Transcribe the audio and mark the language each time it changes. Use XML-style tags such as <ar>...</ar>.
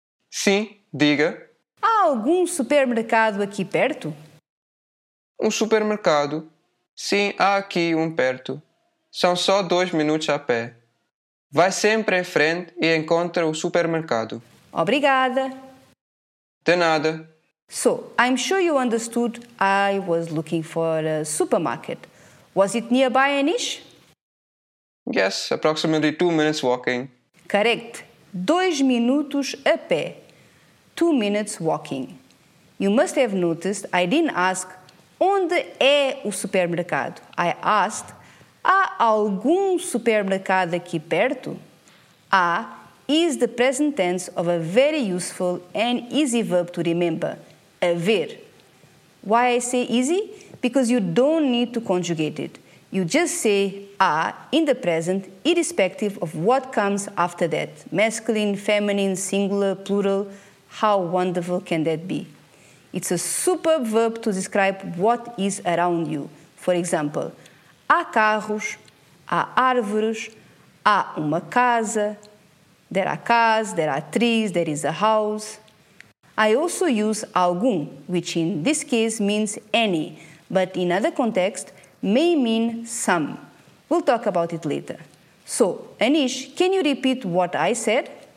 <pt>Sim, diga. Há algum supermercado aqui perto? Um supermercado? Sim, há aqui um perto. São só 2 minutos a pé. Vai sempre em frente e encontra o supermercado. Obrigada. De nada.</pt> <en>So, I'm sure you understood I was looking for a supermarket. Was it nearby, Anish? Yes, approximately 2 minutes walking. Correct.</en> <pt>2 minutos a pé.</pt> <en>2 minutes walking. You must have noticed I didn't ask</en> <pt>onde é o supermercado.</pt> <en>I asked,</en> <pt>há algum supermercado aqui perto?</pt> <en>Há is the present tense of a very useful and easy verb to remember, haver. Why I say easy? Because you don't need to conjugate it. You just say há in the present, irrespective of what comes after that. Masculine, feminine, singular, plural. How wonderful can that be? It's a superb verb to describe what is around you. For example,</en> <pt>há carros, há árvores, há uma casa.</pt> <en>There are cars, there are trees, there is a house. I also use algum, which in this case means any, but in other context may mean some. We'll talk about it later. So, Anish, can you repeat what I said?</en>